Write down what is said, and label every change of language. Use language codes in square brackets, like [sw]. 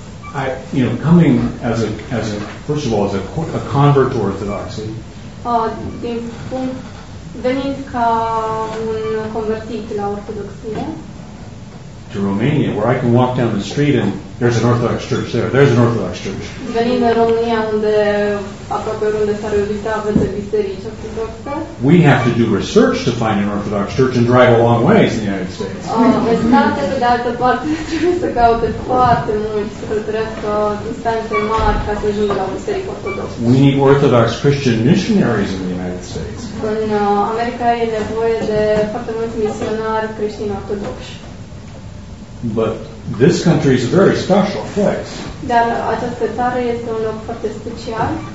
[en] I, you know, coming as a first of all as a convert to Orthodoxy. [ro] Venind ca un convertit la Ortodoxie. [en] To Romania, where I can walk down the street and there's an Orthodox church there. There's an Orthodox church. [ro] Venind în România unde aproape oriunde s-ar vizita, aveți biserici ortodoxe. [en] We have to do research to find an Orthodox church and drive a long ways in the United States. [ro] State pe de altă parte trebuie să caute foarte mult, să trăiască distanțe mari ca să ajungă la biserică ortodoxă. [en] We need Orthodox Christian missionaries in the United States. [ro] În America e nevoie de foarte mulți misionari creștini ortodoxi. [en] But this country is a very special place. [ro] Dar această țară este un loc foarte special.